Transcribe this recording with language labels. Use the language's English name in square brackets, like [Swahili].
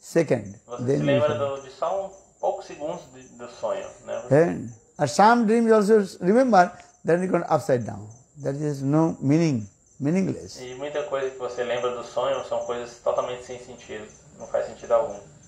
[Portuguese] Você se lembra de só poucos segundos do sonho, né? [English] Some dreams also remember, then you go upside down. That is no meaning, meaningless. [Portuguese] E muita coisa que você lembra do sonho são coisas totalmente sem sentido, não faz sentido algum.